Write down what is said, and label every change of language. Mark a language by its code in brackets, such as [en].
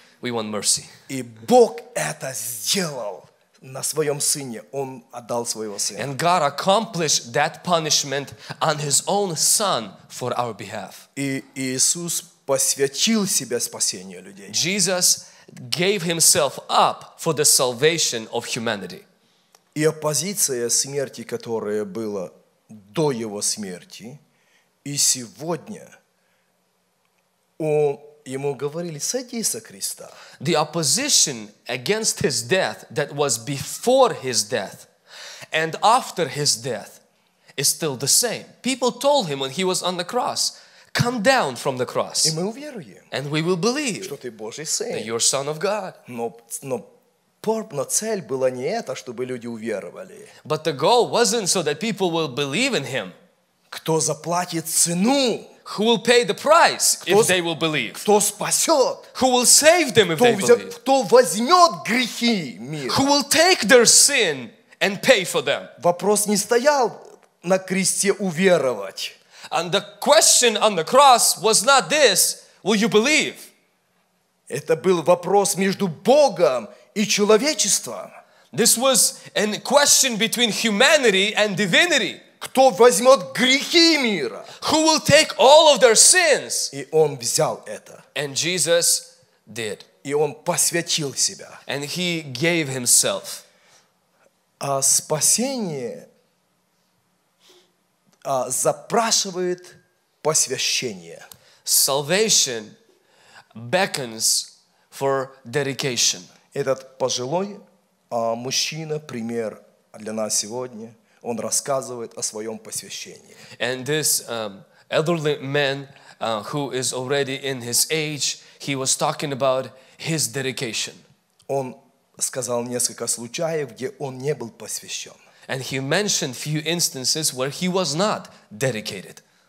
[en] We want mercy. [ru] И Бог это сделал на своем сыне. Он отдал своего сына. [en] And God accomplished that punishment on his own son for our behalf. [ru] И Иисус посвятил себя спасению людей. [en] Jesus gave himself up for the salvation of humanity. [ru] И оппозиция смерти, которая была до его смерти, и сегодня ему говорили, садись со креста. [en] The opposition against his death that was before his death and after his death is still the same. People told him when he was on the cross, come down from the cross. [ru] И мы уверуем, [en] and we will believe [ru] что ты Божий сын. [en] That you're son of God. [ru] Но цель была не эта, чтобы люди уверовали. [en] But the goal wasn't so that people will believe in him. [ru] Кто заплатит цену? [en] Who will pay the price if they will believe? [ru] Кто спасет? [en] Who will save them if they believe? [ru] Кто возьмет грехи мира? [en] Who will take their sin and pay for them? [ru] Вопрос не стоял на кресте уверовать. [en] And the question on the cross was not this, will you believe? [ru] Это был вопрос между Богом и человечеством. [en] This was a question between humanity and divinity. [ru] Кто возьмет грехи мира? [en] Who will take all of their sins? [ru] И он взял это. [en] And Jesus did. [ru] И он посвятил себя. [en] And he gave himself. [ru] А спасение запрашивает посвящение. [en] Salvation beckons for dedication. [ru] Этот пожилой мужчина, пример для нас сегодня, он рассказывает о своем посвящении. [en] And this elderly man who is already in his age, he was talking about his dedication. [ru] Он сказал несколько случаев, где он не был посвящен. [en] And he mentioned few instances where he was not dedicated.